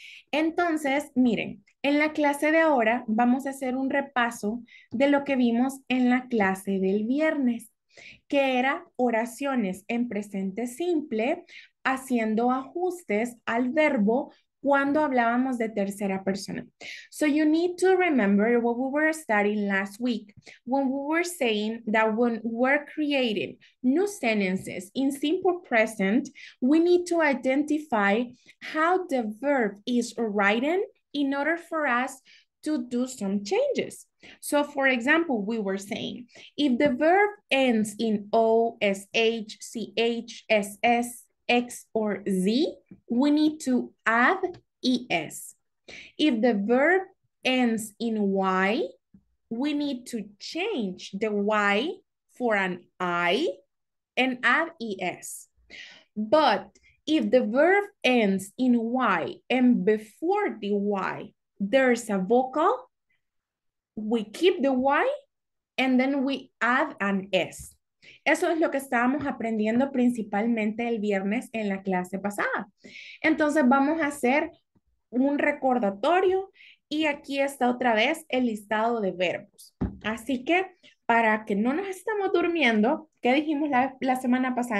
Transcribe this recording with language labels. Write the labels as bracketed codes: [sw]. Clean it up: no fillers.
[es] Entonces, miren, en la clase de ahora vamos a hacer un repaso de lo que vimos en la clase del viernes, que era oraciones en presente simple, haciendo ajustes al verbo cuando hablábamos de tercera persona. [en] So you need to remember what we were studying last week, when we were saying that when we're creating new sentences in simple present, we need to identify how the verb is written in order for us to do some changes. So, for example, we were saying, if the verb ends in O, S, H, C, H, S, S, X, or Z, we need to add ES. If the verb ends in Y, we need to change the Y for an I and add ES. But If the verb ends in Y and before the Y, there's a vocal, we keep the Y and then we add an S. [es] Eso es lo que estábamos aprendiendo principalmente el viernes en la clase pasada. Entonces vamos a hacer un recordatorio y aquí está otra vez el listado de verbos. Así que para que no nos estemos durmiendo, ¿qué dijimos la semana pasada?